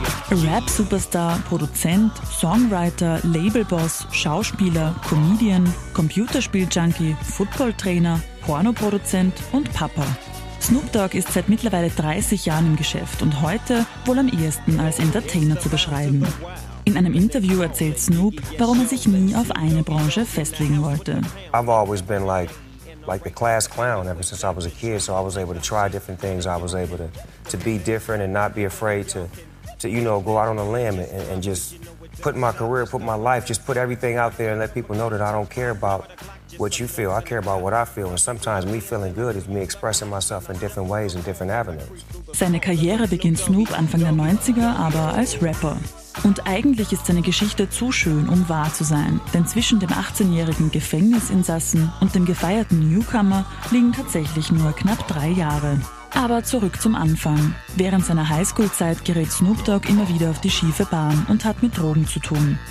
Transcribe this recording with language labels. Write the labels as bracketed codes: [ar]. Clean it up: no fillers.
[de] Rap-Superstar, Produzent, Songwriter, Labelboss, Schauspieler, Comedian, Computerspiel-Junkie, Football-Trainer, Pornoproduzent und Papa. Snoop Dogg ist seit mittlerweile 30 Jahren im Geschäft und heute wohl am ehesten als Entertainer zu beschreiben. In einem Interview erzählt Snoop, warum er sich nie auf eine Branche festlegen wollte. [en] I've always been like the class clown ever since I was a kid, so I was able to try different things. I was able to be different and not be afraid to you know, go out on a limb and just put my career, put my life, just put everything out there and let people know that I don't care about what you feel. I care about what I feel. And sometimes me feeling good is me expressing myself in different ways and different avenues. [de] Seine Karriere beginnt Snoop Anfang der 90er, aber als Rapper. Und eigentlich ist seine Geschichte zu schön, um wahr zu sein. Denn zwischen dem 18-jährigen Gefängnisinsassen und dem gefeierten Newcomer liegen tatsächlich nur knapp 3 Jahre. Aber zurück zum Anfang. Während seiner Highschool-Zeit gerät Snoop Dogg immer wieder auf die schiefe Bahn und hat mit Drogen zu tun.